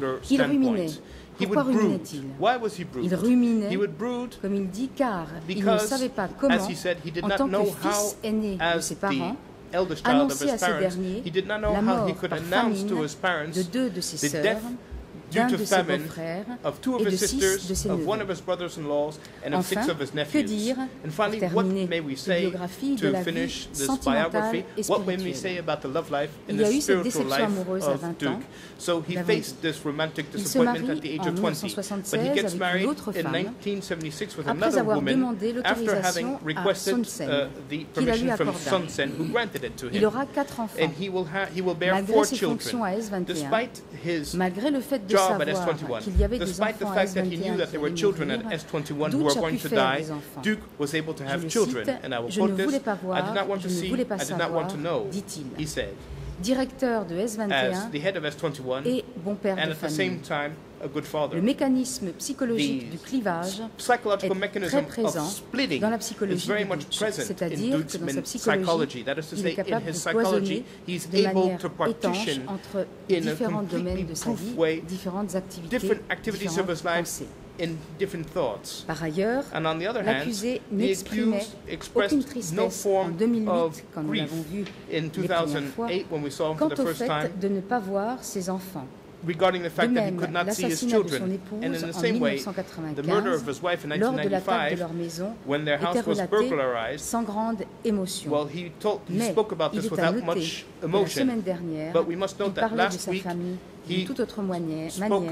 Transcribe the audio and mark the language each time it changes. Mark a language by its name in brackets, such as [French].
[French] Il ruminait. Pourquoi ruminait-il? Il ruminait, comme il dit, car il ne savait pas comment, en tant que fils aîné de ses parents, annoncer à ces derniers la mort par famine de deux de ses sœurs, d'un de ses beaux-frères et de six de ses neveux. Enfin, que dire pour terminer la biographie de la vie sentimentale et spirituelle? Il y a eu cette déception amoureuse à 20 ans. [English] So he faced this romantic disappointment at the age of 20, but he gets married in 1976 with another woman after having requested the permission from Sun Sen, who granted it to him. [French] Il aura quatre enfants. [English] And he will bear four children. Despite his job at S21, despite the fact that he knew that there were children at S21 who were going to die, Duke was able to have children. And I will quote this, I did not want to see, I did not want to know, he said. [French] Directeur de S21 et bon père de famille. Le mécanisme psychologique du clivage est très présent dans la psychologie de Duch, c'est-à-dire que dans sa psychologie, il est capable de cloisonner de manière étanche entre différents domaines de sa vie, différentes activités, différentes pensées. Par ailleurs, l'accusé n'exprimait aucune tristesse en 2008, quand nous l'avons vu les premières fois, quant au fait de ne pas voir ses enfants. [English] Regarding the fact [French] de même, [English] that he could not see his children, and in the same way, the murder of his wife in 1995, when their house was burglarized, [French] sans grande émotion. [English] Well, he spoke about this without much emotion. [French] Dernière, [English] but we must note that last week, he spoke